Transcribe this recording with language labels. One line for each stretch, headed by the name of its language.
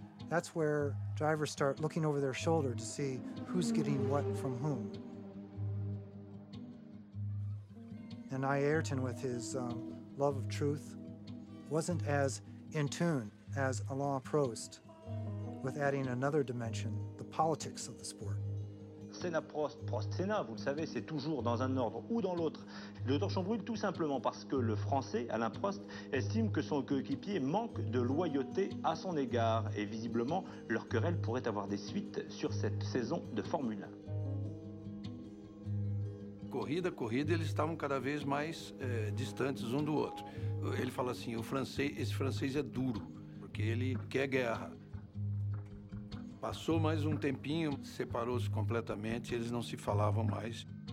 English: That's where drivers start looking over their shoulder to see who's getting what from whom. And Ayrton, with his love of truth, wasn't as in tune as Alain Prost with adding another dimension, the politics of the sport.
French: Senna Prost, Prost Senna, vous le savez, c'est toujours dans un ordre ou dans l'autre. Le torchon brûle tout simplement parce que le Français, Alain Prost, estime que son coéquipier manque de loyauté à son égard. Et visiblement, leur querelle pourrait avoir des suites sur cette saison de Formule 1.
Portuguese: Corrida, corrida, eles estavam cada vez mais distantes um do outro. Ele fala assim, o francês, esse francês é duro, porque ele quer guerra. Passou mais tempinho, separou-se completamente, eles não se falavam mais.